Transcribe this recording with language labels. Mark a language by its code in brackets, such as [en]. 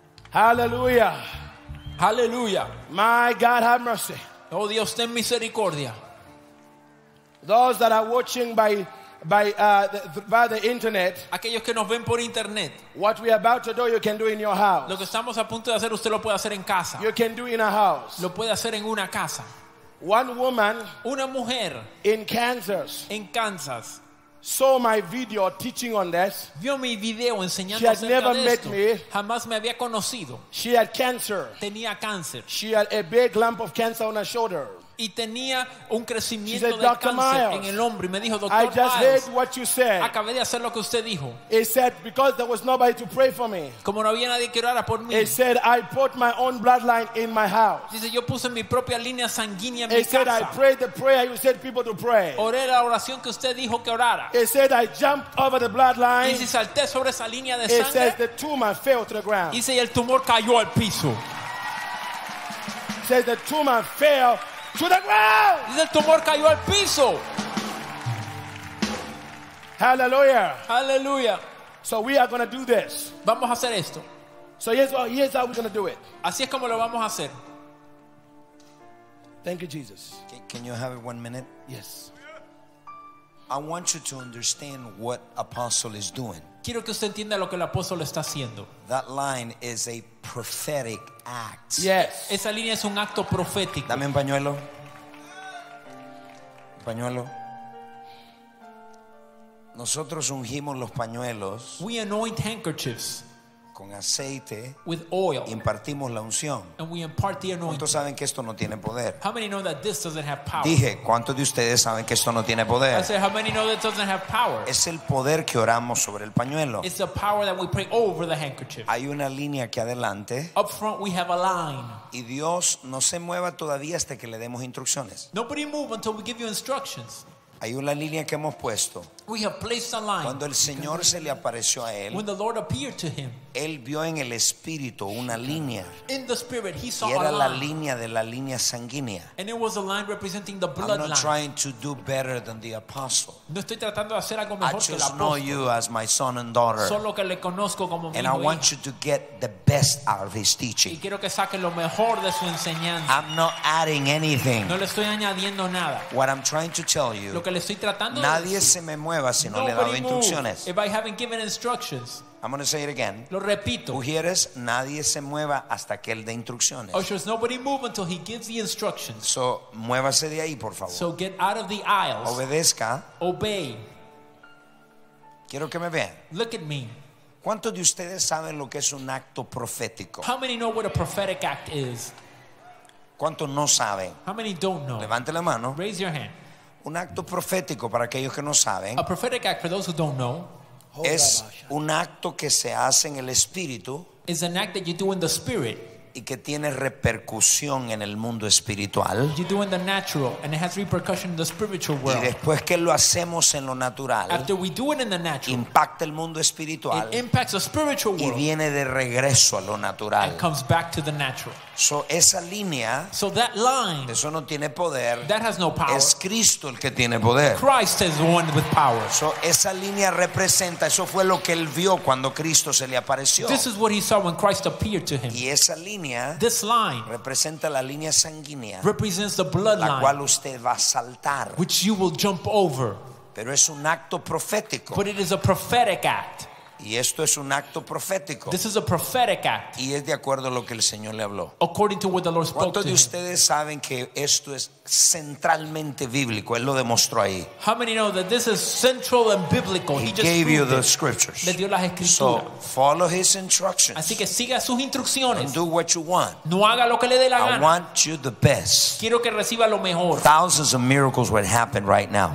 [en] Hallelujah. Hallelujah. My God, have mercy. [es] Oh, Dios, ten misericordia. [en] Those that are watching by the internet. [es] Aquellos que nos ven por internet. [en] What we are about to do, you can do in your house. [es] Lo que estamos a punto de hacer, usted lo puede hacer en casa. [en] You can do in a house. [es] Lo puede hacer en una casa. [en] One woman, [es] una mujer, [en] in Kansas, saw my video teaching on this. [es] Vio mi video enseñando. [en] She had never met me. [es] Jamás me había conocido. [en] She had cancer. [es] Tenía cáncer. [en] She had a big lump of cancer on her shoulder. [es] Y tenía un crecimiento de cáncer Myles, en el hombro. Y me dijo, doctor [en] Myles, I just heard what you said. [es] Acabé de hacer lo que usted dijo. [en] He said, because there was nobody to pray for me. [es] Como no había nadie que orara por mí. [en] He said, I put my own bloodline in my house. [es] Dice, yo puse mi propia línea sanguínea en [en] he [es] mi [en] said, [es] casa. [en] I prayed the prayer you said people to pray. [es] Oré la oración que usted dijo que orara. [en] He said, I jumped over the bloodline. [es] Dice, salté sobre esa línea de [en] he [es] sangre. [en] He said, the tumor fell to the ground. [es] Dice, y el tumor cayó al piso. [en] He said, the tumor fell to the ground. [es] Dice, el tumor cayó al piso. [en] Hallelujah. Hallelujah. So we are going to do this. [es] Vamos a hacer esto. [en] So here's how we're going to do it. [es] Así es como lo vamos a hacer. [en] Thank you, Jesus. Can you have it 1 minute? Yes. I want you to understand what apostle is doing. [es] Quiero que usted entienda lo que el apóstol está haciendo. [en] That line is a prophetic act. Yes. [es] Esa línea es un acto profético. Dame un pañuelo. Pañuelo. Nosotros ungimos los pañuelos. [en] We anoint handkerchiefs. [es] Con aceite. [en] With oil. [es] Impartimos la unción. [en] And we impart the anointing. [es] ¿Cuántos saben que esto no tiene poder? [en] How many know that this doesn't have power? [es] Dije, ¿cuántos de ustedes saben que esto no tiene poder? [en] I said, how many know that doesn't have power? [es] Es el poder que oramos sobre el pañuelo. [en] It's the power that we pray over the handkerchief. [es] Hay una línea aquí adelante. [en] Up front we have a line. [es] Y Dios no se mueva todavía hasta que le demos instrucciones. [en] Nobody move until we give you instructions. [es] Hay una línea que hemos puesto. [en] We have placed a line. [es] Cuando el Señor se le apareció a él, [en] when the Lord appeared to him, [es] él vio en el espíritu una línea. [en] In the spirit, he saw [es] y era [en] a line. [es] La línea de la línea sanguínea. [en] And it was a line representing the bloodline. I'm not trying to do better than the apostle. [es] No estoy tratando de hacer algo mejor que el apóstol. [en] I just know you as my son and daughter. [es] Solo que le conozco como mi hijo. [en] And I want you to get the best out of his teaching. [es] Y quiero que saque lo mejor de su enseñanza. [en] I'm not adding anything. [es] No le estoy añadiendo nada. [en] What I'm trying to tell you. [es] Lo que le estoy tratando de nadie decir. Se me mueve. Si no le he dado instrucciones. [en] If I haven't given instructions, I'm going to say it again. [es] Lo repito. Ujieres, nadie se mueva hasta que él dé instrucciones. [en] Ushers, nobody move until he gives the instructions. [es] So, muévase de ahí, por favor. [en] So get out of the aisles. [es] Obedezca. [en] Obey. [es] Quiero que me vean. [en] Look at me. [es] ¿Cuántos de ustedes saben lo que es un acto profético? [en] How many know what a prophetic act is? [es] ¿Cuántos no saben? [en] How many don't know? [es] Levante la mano. [en] Raise your hand. [es] Un acto profético para aquellos que no saben. [en] A prophetic act for those who don't know. [es] Es un acto que se hace en el espíritu. [en] Is an act that you do in the spirit. [es] Y que tiene repercusión en el mundo espiritual. [en] You do in the natural and it has repercussion in the spiritual world. [es] Y después que lo hacemos en lo natural. [en] After we do it in the natural. [es] Impacta el mundo espiritual. [en] It impacts the spiritual world. [es] Y viene de regreso a lo natural. [en] And comes back to the natural. [es] So esa línea, [en] so that line, [es] eso no tiene poder. [en] That has no power. [es] Es Cristo el que tiene poder. [en] Christ is the one with power. [es] So esa línea representa, eso fue lo que él vio cuando Cristo se le apareció. [en] This is what he saw when Christ appeared to him. [es] Y esa línea, [en] this line, [es] representa la línea sanguínea, [en] represents the bloodline, [es] la cual usted va a saltar, [en] which you will jump over. [es] Pero es un acto profético. [en] But it is a prophetic act. [es] Y esto es un acto profético. [en] This is a prophetic act. [es] Y es de acuerdo a lo que el Señor le habló. [en] According to what the Lord spoke to him. [es] ¿Cuántos de ustedes saben que esto es centralmente bíblico? Él lo demostró ahí. [en] How many know that this is central and biblical? He gave you the scriptures. [es] Le dio las escrituras. [en] So follow his instructions. [es] Así que siga sus instrucciones. [en] And do what you want. [es] No haga lo que le dé la gana. [en] I want you the best. [es] Quiero que reciba lo mejor. [en] Thousands of miracles will happen right now.